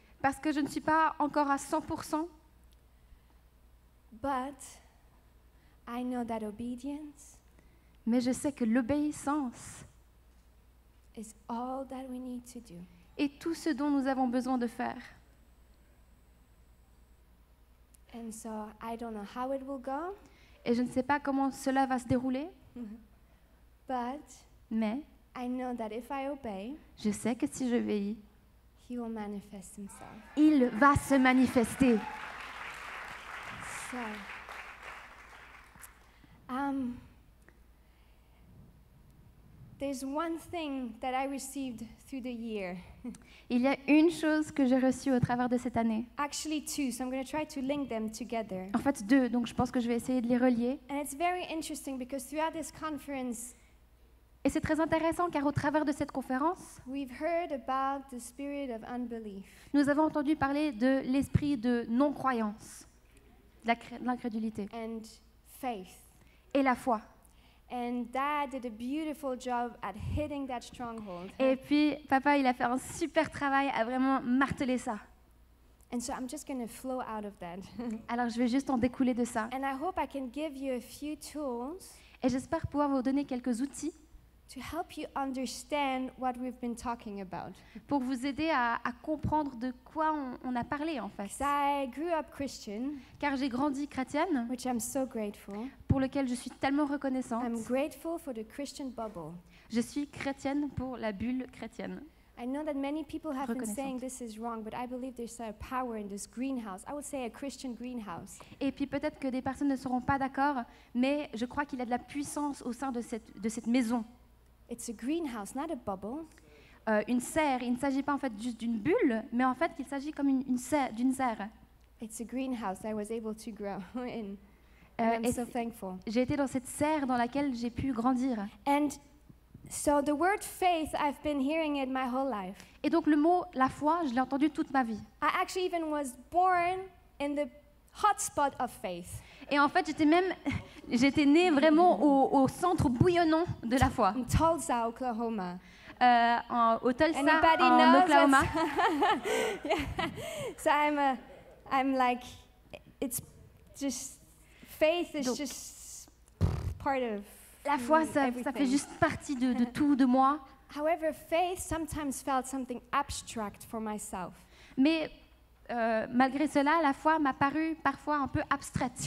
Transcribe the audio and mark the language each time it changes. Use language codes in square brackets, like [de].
[fr] Parce que je ne suis pas encore à 100%. [en] But I know that obedience, [fr] mais je sais que l'obéissance [en] is all that we need to do. [fr] Est tout ce dont nous avons besoin de faire. [en] And so I don't know how it will go. [fr] Et je ne sais pas comment cela va se dérouler. [en] But [fr] mais [en] I know that if I obey, [fr] je sais que si je vais, [en] he will manifest himself. [fr] Il va se manifester. [en] So, there's one thing that I received through the year. [fr] Il y a une chose que j'ai reçue au travers de cette année. [en] Actually two, so I'm going to try to link them together. [fr] En fait deux, donc je pense que je vais essayer de les relier. [en] And it's very interesting because throughout this conference, [fr] et c'est très intéressant car au travers de cette conférence, [en] we've heard about the spirit of unbelief. [fr] Nous avons entendu parler de l'esprit de non-croyance, de l'incrédulité. [en] And faith. [fr] Et la foi. [en] And Dad did a beautiful job at hitting that stronghold. [fr] Et puis papa, il a fait un super travail à vraiment marteler ça. [en] And so I'm just going to flow out of that. [fr] Alors je vais juste en découler de ça. [en] And I hope I can give you a few tools. [fr] Et j'espère pouvoir vous donner quelques outils [en] to help you understand what we've been talking about. [fr] Pour vous aider à comprendre de quoi on a parlé en fait. [en] I grew up Christian, [fr] car j'ai grandi chrétienne, [en] which I'm so grateful. [fr] Pour lequel je suis tellement reconnaissante. [en] I'm grateful for the Christian bubble. [fr] Je suis chrétienne pour la bulle chrétienne. [en] I know that many people have been saying this is wrong, but I believe there's a power in this greenhouse. I would say a Christian greenhouse. [fr] Et puis peut-être que des personnes ne seront pas d'accord, mais je crois qu'il y a de la puissance au sein de cette maison. [en] It's a greenhouse, not a bubble. [fr] Une serre. Il ne s'agit pas en fait juste d'une bulle, mais en fait qu'il s'agit comme d'une serre. [en] It's a greenhouse I was able to grow in. And I'm so thankful. [fr] J'ai été dans cette serre dans laquelle j'ai pu grandir. [en] And so the word faith, I've been hearing it my whole life. [fr] Et donc le mot la foi, je l'ai entendu toute ma vie. [en] I actually even was born in the hotspot of faith. [fr] Et en fait, j'étais née vraiment au centre bouillonnant de la foi. [en] Tulsa, Oklahoma. Au Tulsa, anybody en knows Oklahoma. Yeah. So I'm like, it's just faith is [fr] donc, [en] just part of [fr] la foi, ça fait juste partie de tout de moi. [en] However, faith sometimes felt something abstract for myself. [fr] Mais malgré cela, la foi m'a paru parfois un peu abstraite.